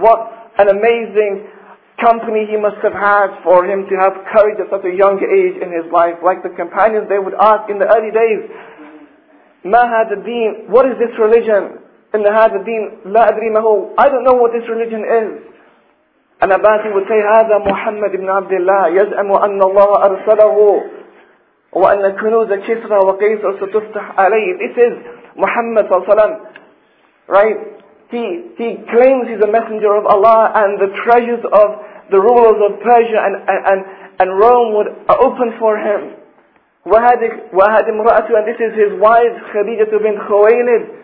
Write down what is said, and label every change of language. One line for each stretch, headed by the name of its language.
English: What an amazing company he must have had for him to have courage at such a young age in his life. Like the companions, they would ask in the early days,
Arabic: Ma hadha deen,
English: what is this religion? In the
Arabic: hadha deen, La adri ma huwa,
English: I don't know what this religion is. And Abbasin would say,
Arabic: هَذَا مُحَمَّدْ ابْنَ عَبْدِ اللَّهِ يَزْأَمُ أَنَّ اللَّهَ أَرْسَلَهُ وَأَنَّ كُنُوزَ كِسْرَ وَقَيْسَ سَتُفْتَحْ عَلَيْهِ.
English: This is Muhammad ﷺ, right? He claims he's a messenger of Allah, and the treasures of the rulers of Persia and Rome would open for him.
Arabic: وَهَذِ امْرَأَةُ,
English: and this is his wife, خَدِيجَةُ بِنْ خُوَيْلِدْ.